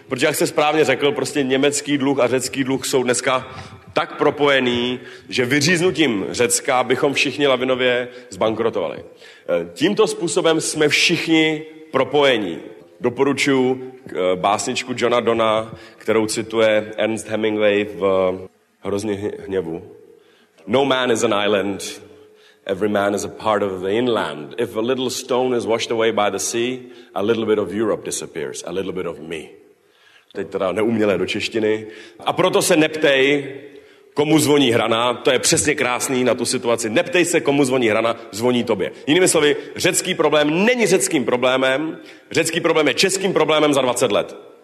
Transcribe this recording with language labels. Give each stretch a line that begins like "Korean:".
Czech: Protože, jak jste správně řekl, prostě německý dluh a řecký dluh jsou dneska tak propojený, že vyříznutím Řecka bychom všichni lavinově zbankrotovali. Tímto způsobem jsme všichni propojení. Doporučuji básničku Johna Donna, kterou cituje Ernest Hemingway v Hrozně hněvu.
English: No man is an island, every man is a part of the inland. If a little stone is washed away by the sea, a little bit of Europe disappears, a little bit of me.
Czech: Teď teda neumělé do češtiny. A proto se neptej, komu zvoní hrana, to je přesně krásný na tu situaci. Neptej se, komu zvoní hrana, zvoní tobě. Jinými slovy, řecký problém není řeckým problémem, řecký problém je českým problémem za 20 let.